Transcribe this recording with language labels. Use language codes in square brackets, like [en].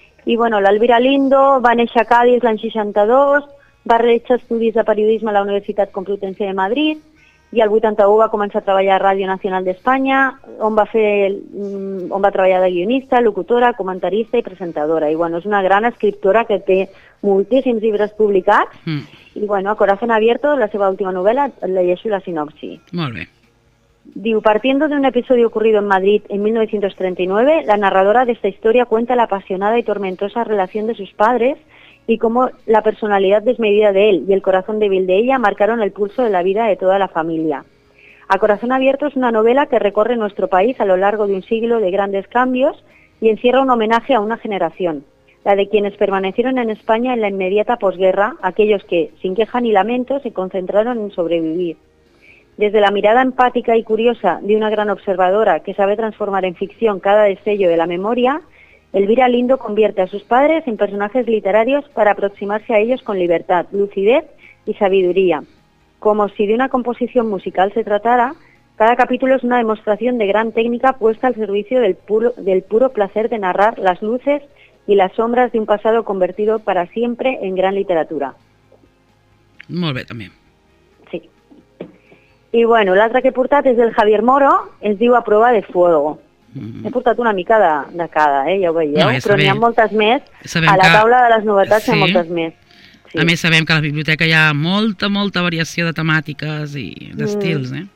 [ca] I bueno, l'Elvira Lindo va néixer a Cádiz l'any 62, va realitzar estudis de periodisme a la Universitat Complutense de Madrid i el 81 va començar a treballar a Ràdio Nacional d'Espanya, on va treballar de guionista, locutora, comentarista i presentadora. I bueno, és una gran escriptora que té moltíssims llibres publicats. I bueno, A Corazón Abierto, la seva última novel·la, llegeixo la sinopsi. Molt bé. [es] Diu, partiendo de un episodio ocurrido en Madrid en 1939, la narradora de esta historia cuenta la apasionada y tormentosa relación de sus padres y cómo la personalidad desmedida de él y el corazón débil de ella marcaron el pulso de la vida de toda la familia. A Corazón Abierto es una novela que recorre nuestro país a lo largo de un siglo de grandes cambios y encierra un homenaje a una generación, la de quienes permanecieron en España en la inmediata posguerra, aquellos que, sin queja ni lamento, se concentraron en sobrevivir. Desde la mirada empática y curiosa de una gran observadora que sabe transformar en ficción cada destello de la memoria, Elvira Lindo convierte a sus padres en personajes literarios para aproximarse a ellos con libertad, lucidez y sabiduría. Como si de una composición musical se tratara, cada capítulo es una demostración de gran técnica puesta al servicio del puro placer de narrar las luces y las sombras de un pasado convertido para siempre en gran literatura. Muy bien, también. [ca] I bueno, l'altre que he portat és del Javier Moro, es diu A prova de fuego. He portat una mica de cada, ja ho veieu, però n'hi ha moltes més. Sabem a la taula de les novetats hi ha moltes més. Sí. A més, sabem que a la biblioteca hi ha molta, molta variació de temàtiques i d'estils,